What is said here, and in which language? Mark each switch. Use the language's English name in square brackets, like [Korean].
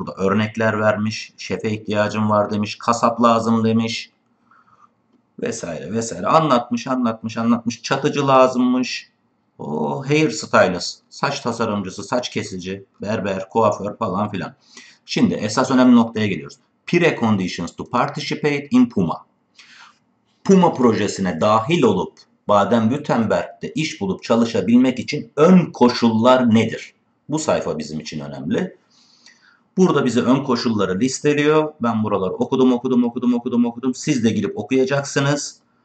[Turkish] Burada örnekler vermiş. Şefe ihtiyacım var demiş. Kasap lazım demiş. Vesaire vesaire. Anlatmış, anlatmış, anlatmış. Çatıcı lazımmış. Hair stylist. Saç tasarımcısı, saç kesici, berber, kuaför falan filan. Şimdi esas önemli noktaya geliyoruz. [English] Preconditions to participate in Puma. [Turkish] Puma projesine dahil olup Baden-Württemberg'de iş bulup çalışabilmek için ön koşullar nedir? Bu sayfa bizim için önemli. Burada bize ön koşulları listeliyor. Ben buraları okudum, okudum, okudum, okudum, okudum. Siz de girip okuyacaksınız.